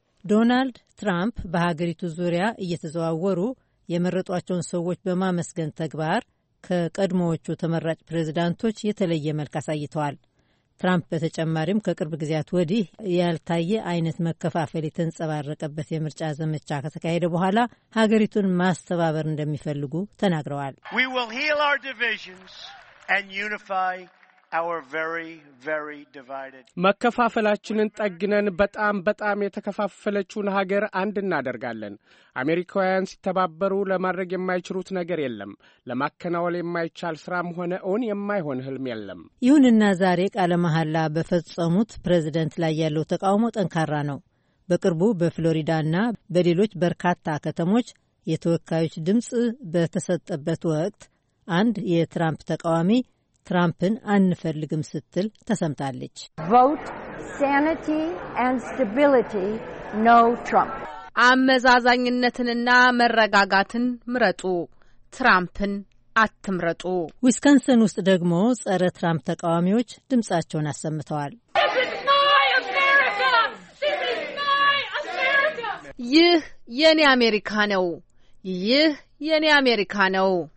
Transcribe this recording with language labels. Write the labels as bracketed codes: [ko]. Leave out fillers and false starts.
[am] ዶናልድ ትራምፕ በሀገሪቱ ዙሪያ እየተዘዋወሩ የመረጧቸውን ሰዎች በማመስገን ተግባር ከቀድሞዎቹ ተመራጭ ፕሬዚዳንቶች የተለየ መልክ አሳይተዋል። ትራምፕ በተጨማሪም ከቅርብ ጊዜያት ወዲህ ያልታየ አይነት መከፋፈል የተንጸባረቀበት የምርጫ ዘመቻ ከተካሄደ በኋላ ሀገሪቱን ማስተባበር እንደሚፈልጉ ተናግረዋል። [en] We will heal our divisions and unify our very very divided [am] መከፋፈላችንን ጠግነን በጣም በጣም የተከፋፈለችውን ሀገር አንድ እናደርጋለን። አሜሪካውያን ሲተባበሩ ለማድረግ የማይችሉት ነገር የለም። ለማከናወል የማይቻል ስራም ሆነ ኦን የማይሆን ህልም የለም። ይሁንና ዛሬ ቃለ መሐላ በፈጸሙት ፕሬዝዳንት ላይ ያለው ተቃውሞ ጠንካራ ነው። በቅርቡ በፍሎሪዳና በሌሎች በርካታ ከተሞች የተወካዮች ድምጽ በተሰጠበት ወቅት አንድ የትራምፕ ተቃዋሚ ትራምፕን አንፈልግም ስትል ተሰምታለች። [en] Vote sanity and stability, no Trump. [am] አመዛዛኝነትንና መረጋጋትን ምረጡ፣ ትራምፕን አትምረጡ። ዊስኮንሰን ውስጥ ደግሞ ጸረ ትራምፕ ተቃዋሚዎች ድምጻቸውን አሰምተዋል። [en] This is my America! This is my America! [am] ይህ የኔ አሜሪካ ነው! ይህ የኔ አሜሪካ ነው!